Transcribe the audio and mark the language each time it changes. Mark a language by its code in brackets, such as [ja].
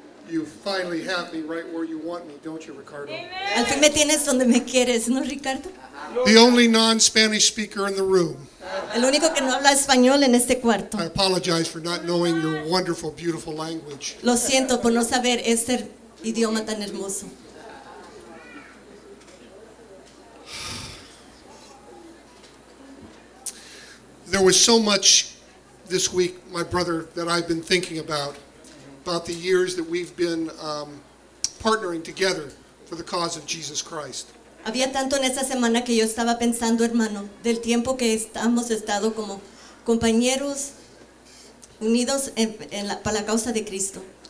[en] You finally have me right where you want me, don't you, Ricardo? [es] Al fin me tienes donde me quieres, ¿no, Ricardo? [en] The only non-Spanish speaker in the room. [es] El único que no habla español en este cuarto. [en] I apologize for not knowing your wonderful, beautiful language. [es] Lo siento por no saber este idioma tan hermoso. [en] There was so much this week, my brother, that I've been thinking about the years that we've been partnering together for the cause of Jesus Christ. [es] Había tanto en esta semana que yo estaba pensando, hermano, del tiempo que hemos estado como compañeros unidos para la causa de Cristo.